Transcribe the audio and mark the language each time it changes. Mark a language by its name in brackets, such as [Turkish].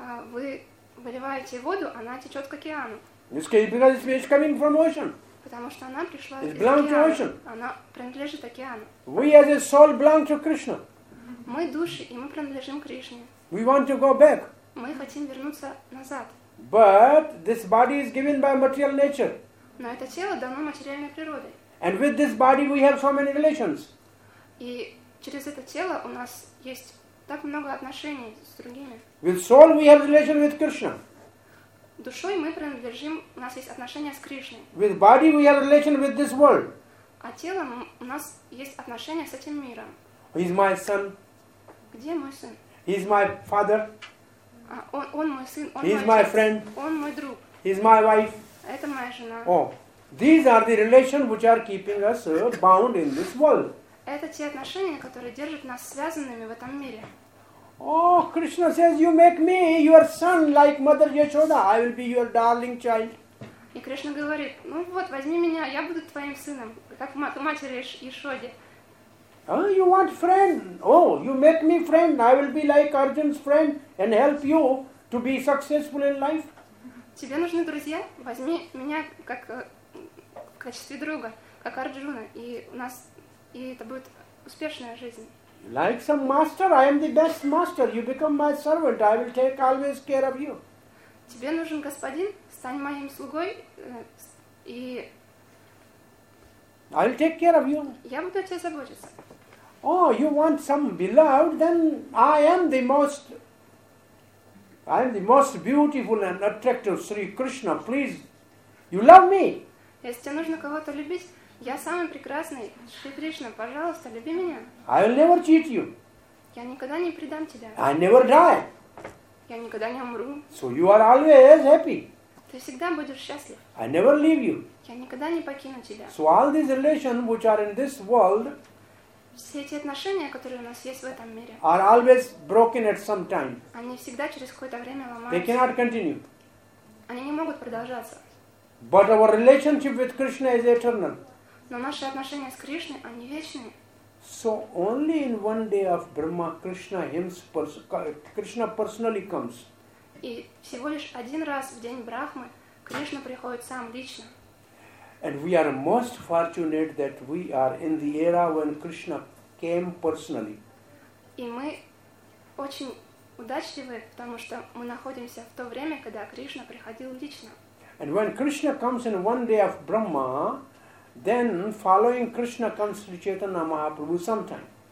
[Russian] Вы выливаете воду, она течет к океану. [English] It's coming from ocean. [Russian] Потому что она пришла из океана. [English] To ocean. [Russian] Она принадлежит океану. [English] We as a soul belong to Krishna. [Russian] Мы души, и мы принадлежим Кришне. [English] We want to go back. [Russian] Мы хотим вернуться назад. [English] But this body is given by material nature. [Russian] Но это тело дано материальной природой. [English] And with this body we have so many relations. [Russian] И через это тело у нас есть так много отношений с другими. [English] With soul we have relation with Krishna. [Russian] Душой мы принадлежим, у нас есть отношения с Кришной. [English] With body we have relation with this world. [Russian] А телом у нас есть отношения с этим миром. [English] He is my son. [Russian] Где мой сын? [English] He is my father. [Russian] А, он мой сын. Он [English] he [Russian] мой [English] is my friend. [Russian] Он мой друг. [English] He is my wife. [Russian] Это моя жена. [English] Oh, these are the relations which are keeping us bound in this world. [Russian] Это те отношения, которые держат нас связанными в этом мире. [English] Oh, Krishna says, you make me your son like Mother Yashoda. I will be your darling child. [Russian] И Кришна говорит, ну вот, возьми меня, я буду твоим сыном, как матери Яшоде. [English] Oh, you want friend? Oh, you make me friend. I will be like Arjun's friend and help you to be successful in life. [Russian] Тебе нужны друзья? Возьми меня как в качестве друга, как Арджуна, и у нас и это будет успешная жизнь. [English] Like some master, I am the best master. You become my servant. I will take always care of you. [Russian] Тебе нужен господин? Стань моим слугой и [English] I will take care of you. [Russian] Я буду о тебе заботиться. [English] Oh, you want some beloved? Then I am the most beautiful and attractive Sri Krishna. Please, you love me. [Russian] Если тебе нужно кого-то любить, я самый прекрасный Шри Кришна. Пожалуйста, люби меня. [English] I will never cheat you. [Russian] Я никогда не предам тебя. [English] I never die. [Russian] Я никогда не умру. [English] So you are always happy. [Russian] Ты всегда будешь счастлив. [English] I never leave you. [Russian] Я никогда не покину тебя. [English] So all these relations which are in this world. [Russian] Все эти отношения, которые у нас есть в этом мире, [English] are always broken at some time. [Russian] Они всегда через какое-то время ломаются. [English] They cannot continue. [Russian] Они не могут продолжаться. [English] But our relationship with Krishna is eternal. [Russian] Но наши отношения с Кришной, они вечные. [English] So only in one day of Brahma, Krishna personally comes. [Russian] И всего лишь один раз в день Брахмы Кришна приходит сам лично. [English] And we are most fortunate that we are in the era when Krishna came personally. [Russian] И мы очень удачливы, потому что мы находимся в то время, когда Кришна приходил лично. [English] And when Krishna comes in one day of Brahma, then following Krishna comes Sri Chaitanya Mahaprabhu sometime.